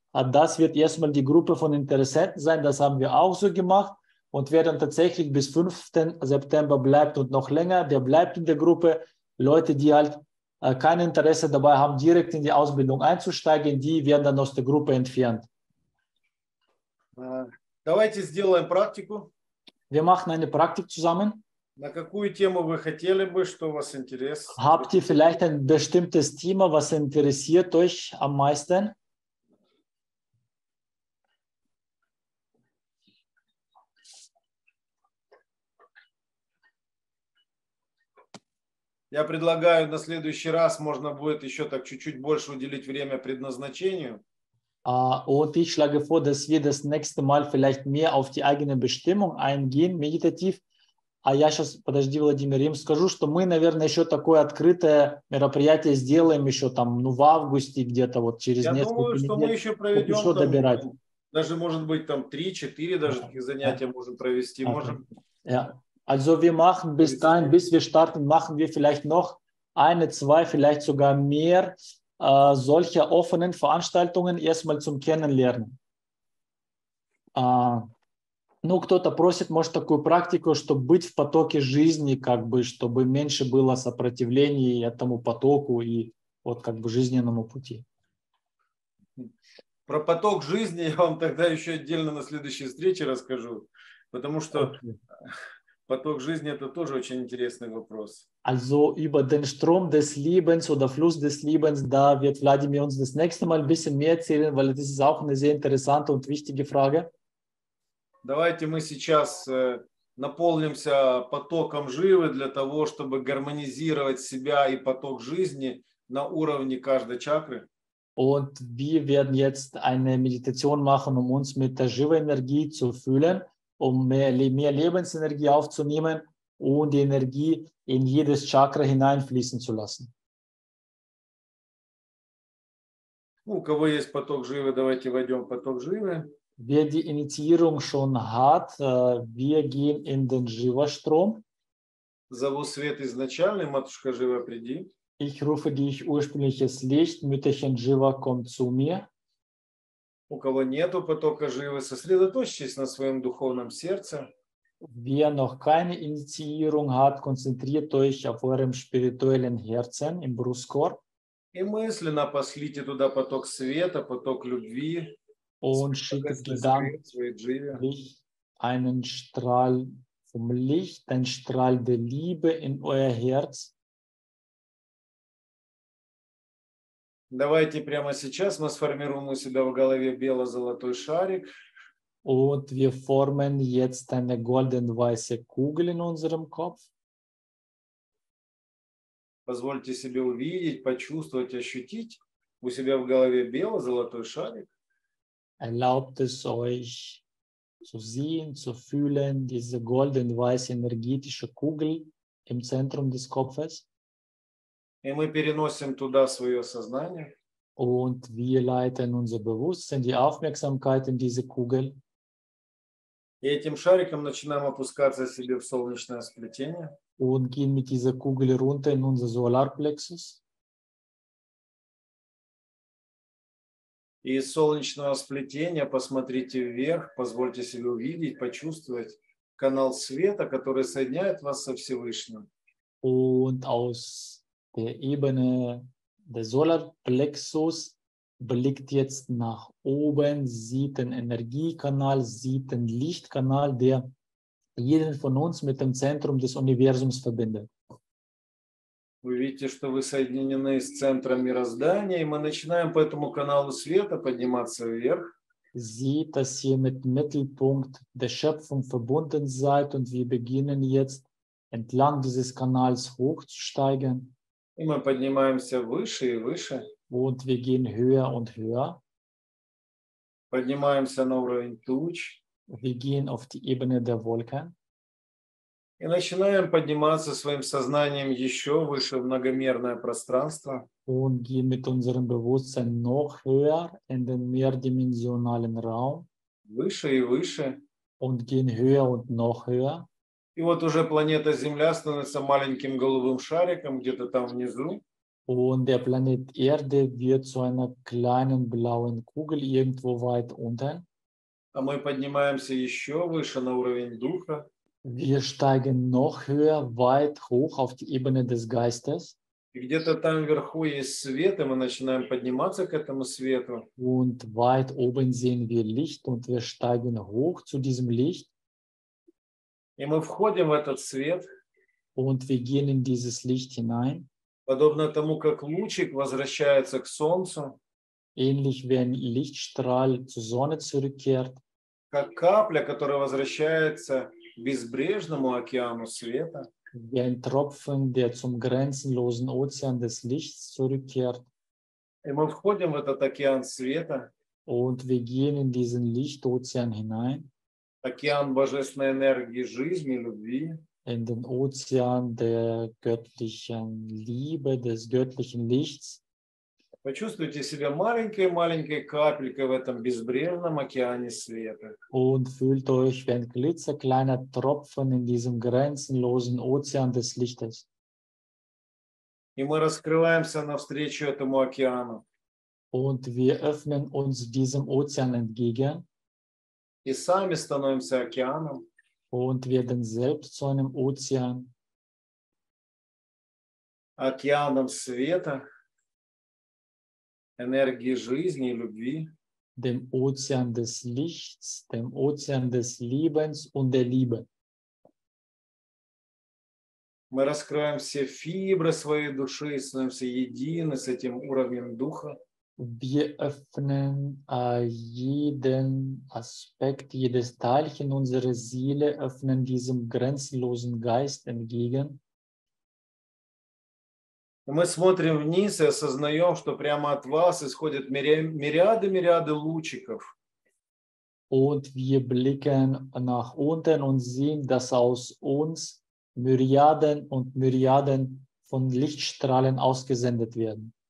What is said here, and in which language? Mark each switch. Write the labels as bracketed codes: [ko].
[de] Das wird erstmal die Gruppe von Interessenten sein, das haben wir auch so gemacht. Und wer dann tatsächlich bis 5. September bleibt und noch länger, der bleibt in der Gruppe. Leute, die halt kein Interesse dabei haben, direkt in die Ausbildung einzusteigen, die werden dann aus der Gruppe entfernt. [ru] Давайте сделаем практику. [de] Wir machen eine Praktik zusammen. [ru] На какую тему вы хотели бы, что вас интересует? [de] Habt ihr vielleicht ein bestimmtes Thema, was interessiert euch am meisten? [ru] Я предлагаю на следующий раз можно будет еще так чуть-чуть больше уделить время предназначению. [de] Und ich schlage vor, dass wir das nächste Mal vielleicht mehr auf die eigene Bestimmung eingehen, meditativ. [ru] А я сейчас, подожди, Владимир, им скажу, что мы, наверное, еще такое открытое мероприятие сделаем еще там, ну, в августе где-то вот через я несколько думаю, недель. Я думаю, что мы еще проведем еще там, добирать. Даже, может быть, там 3-4 даже таких занятия можем провести. Okay. Можем. Yeah. [de] Also wir machen bis dahin, bis wir starten, machen wir vielleicht noch eine, zwei, vielleicht sogar mehr solcher offenen Veranstaltungen erstmal zum Kennenlernen. [ru] Ну, кто-то просит, может, такую практику, чтобы быть в потоке жизни, как бы, чтобы меньше было сопротивления этому потоку и вот как бы жизненному пути. Про поток жизни я вам тогда еще отдельно на следующей встрече расскажу, потому что поток жизни – это тоже очень интересный вопрос. [de] Also über den Strom des Lebens oder Fluss des Lebens, da wird Vladimir uns das nächste Mal ein bisschen mehr erzählen, weil das ist auch eine sehr interessante und wichtige Frage. [ru] Давайте мы сейчас наполнимся потоком живы для того, чтобы гармонизировать себя и поток жизни на уровне каждой чакры. [de] Und wir werden jetzt eine Meditation machen, um uns mit der [ru] живой энергии [de] zu füllen, um mehr Lebensenergie aufzunehmen und die Energie in jedes Chakra hineinfließen zu lassen. [ru] У кого есть поток живы, давайте войдем в поток живы. [de] Wer die Initiierung schon hat, wir gehen in den Jiva-Strom. [ru] Зову свет изначальный, матушка Жива, приди. [de] Ich rufe dich ursprüngliches Licht, Mütterchen Jiva, komm zu mir. [ru] У кого нету потока Живы, сосредоточьтесь на своем духовном сердце. [de] Wer noch keine Initiierung hat, konzentriert euch auf eurem spirituellen Herzen, im Brustkorb. [ru] И мысленно послите туда поток света, поток любви. [de] Und schickt dann dich einen Strahl vom Licht, einen Strahl der Liebe in euer Herz. [ru] Давайте прямо сейчас мы сформируем у себя в голове бело-золотой шарик. [de] Und wir formen jetzt eine golden-weiße Kugel in unserem Kopf. [ru] Позвольте себе увидеть, почувствовать, ощутить у себя в голове бело-золотой шарик. [de] Erlaubt es euch zu sehen, zu fühlen, diese golden-weiße energetische Kugel im Zentrum des Kopfes. [ru] И мы переносим туда свое сознание. [de] Und wir leiten unser Bewusstsein, die Aufmerksamkeit in diese Kugel. [ru] И этим шариком начинаем опускаться себе в солнечное сплетение. [de] Und gehen mit dieser Kugel runter in unser Solarplexus. [ru] И из солнечного сплетения посмотрите вверх, позвольте себе увидеть, почувствовать канал света, который соединяет вас со Всевышним. [de] Und aus der Ebene des Solarplexus blickt jetzt nach oben, sieht den Energiekanal, sieht den Lichtkanal, der jeden von uns mit dem Zentrum des Universums verbindet. [ru] Вы видите, что вы соединены с центром мироздания, и мы начинаем по этому каналу света подниматься вверх. [de] Sieht, dass ihr mit Mittelpunkt der Schöpfung verbunden seid, und wir beginnen jetzt entlang dieses Kanals hochzusteigen. [ru] И мы поднимаемся выше и выше. [de] Und wir gehen höher und höher. [ru] Поднимаемся на уровень туч. [de] Wir gehen auf die Ebene der Wolken. [ru] И начинаем подниматься своим сознанием еще выше в многомерное пространство. [de] Und gehen mit unserem Bewusstsein noch höher in den mehrdimensionalen Raum. [ru] Выше и выше. [de] Und gehen höher und noch höher. [ru] И вот уже планета Земля становится маленьким голубым шариком где-то там внизу. [de] Und der Planet Erde wird zu einer kleinen blauen Kugel irgendwo weit unten. [ru] А мы поднимаемся еще выше на уровень Духа. [de] Wir steigen noch höher, weit hoch auf die Ebene des Geistes. [ru] Где-то там вверху есть свет, и мы начинаем подниматься к этому свету. [de] Und weit oben sehen wir Licht, und wir steigen hoch zu diesem Licht. [ru] И мы входим в этот свет. [de] Und wir gehen in dieses Licht hinein. [ru] Подобно тому, как лучик возвращается к Солнцу. [de] Ähnlich wie ein Lichtstrahl zur Sonne zurückkehrt. [ru] Как капля, которая возвращается безбрежному океану света. [de] Wie ein Tropfen, der zum grenzenlosen Ozean des Lichts zurückkehrt. [ru] И мы входим в этот океан света. [de] Und wir gehen in diesen Lichtozean hinein. [ru] Океан божественной энергии жизни, любви. [de] in den Ozean der göttlichen Liebe, des göttlichen Lichts. [ru] Почувствуйте себя маленькой-маленькой капелькой в этом безбрежном океане света. [de] Und fühlt euch wie ein glitzerkleiner Tropfen in diesem grenzenlosen Ozean des Lichtes. [ru] И мы раскрываемся навстречу этому океану. [de] Und wir öffnen uns diesem Ozean entgegen. [ru] И сами становимся океаном. [de] Und werden selbst zu einem Ozean. [ru] Океаном света. Энергии жизни и любви. [de] Dem Ozean des Lichts, dem Ozean des Lebens und der Liebe. [ru] Мы раскрываем все фибры своей души и становимся едины с этим уровнем духа. [de] Wir öffnen jeden Aspekt, jedes Teilchen unserer Seele, öffnen diesem grenzenlosen Geist entgegen. [ru] Мы смотрим вниз и осознаем, что прямо от вас исходят мириады-мириады лучиков. [de] Und wir blicken nach unten und sehen, dass aus uns Myriaden und Myriaden von Lichtstrahlen ausgesendet werden.